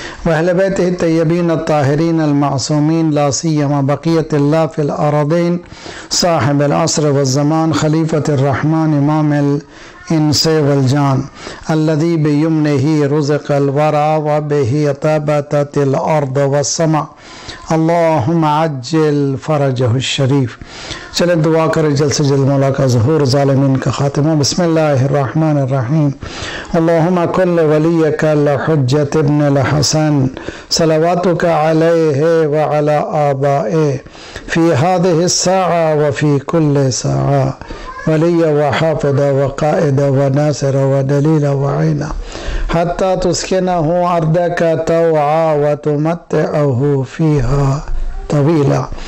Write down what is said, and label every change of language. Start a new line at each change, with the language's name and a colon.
Arabic: وأهل بيته الطيبين الطاهرين المعصومين لا سيما بقية الله في الأرضين صاحب العصر والزمان خليفة الرحمن إمام الإنس والجان الذي بيمنه رزق الورى وبه تبتت الأرض والسماء اللهم عجل فرجه الشريف.
Urdu: چلیں دعا کریں جلسے جلد مولا کا ظہور ظالمین کا خاتمہ.
Arabic: بسم اللہ الرحمن الرحیم. اللهم كل وليك لحجة ابن الحسن صلواتك عليه وعلى آبائه في هذه الساعة وفي كل ساعة ولي وحافظ وقائد وناصر ودليل وعين حتى تسكنه أرضك طوعا وتمتعه فيها طويلا.